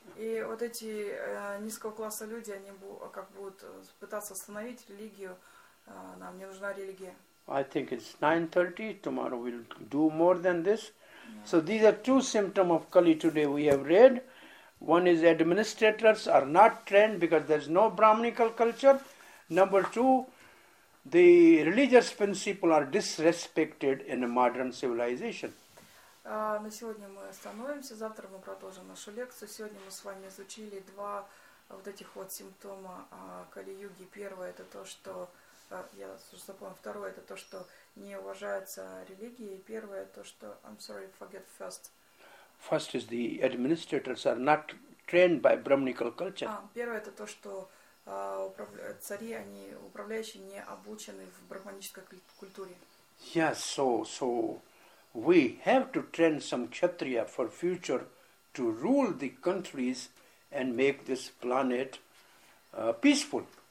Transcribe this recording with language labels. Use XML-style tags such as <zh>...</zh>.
<ru>И вот эти низкого класса люди, они будут пытаться остановить религию. Нам не нужна религия.</ru> <en>I think it's 9:30. Tomorrow we'll do more than this. Yeah. So these are two symptoms of Kali today we have read. One is administrators are not trained because there's no Brahminical culture. Number two, the religious principle are disrespected in a modern civilization.</en> <ru>На сегодня мы остановимся. Завтра мы продолжим нашу лекцию. Сегодня мы с вами изучили два вот этих вот симптома Кали-юги. Первое это то, что я запомнил. Второе это то, что не уважается религия. И первое то, что</ru> <en>First is the administrators are not trained by Brahminical culture.</en> <ru>Первое это то, что цари, они управляющие не обучены в брахманической культуре.</ru> <en>Yes, so we have to train some kshatriya for future to rule the countries and make this planet peaceful.</en>